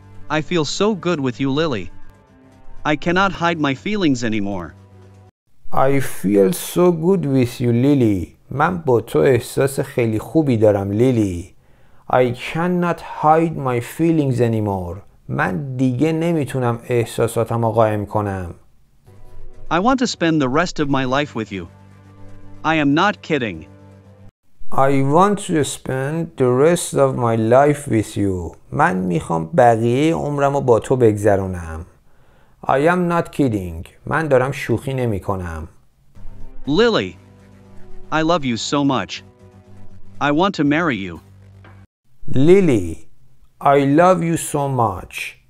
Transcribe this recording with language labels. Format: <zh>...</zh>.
<en>I feel so good with you, Lily. I cannot hide my feelings anymore. I feel so good with you, Lily.</en> <fa>من با تو احساس خیلی خوبی دارم, Lily.</fa> <en>I cannot hide my feelings anymore.</en> <fa>من دیگه نمیتونم احساساتم رو قایم کنم.</fa> <en>I want to spend the rest of my life with you. I am not kidding. I want to spend the rest of my life with you.</en> <fa>من میخوام بقیه عمرم رو با تو بگذرونم.</fa> <en>I am not kidding.</en> <fa>من دارم شوخی نمی کنم.</fa> <en>Lily, I love you so much. I want to marry you. Lily, I love you so much.</en>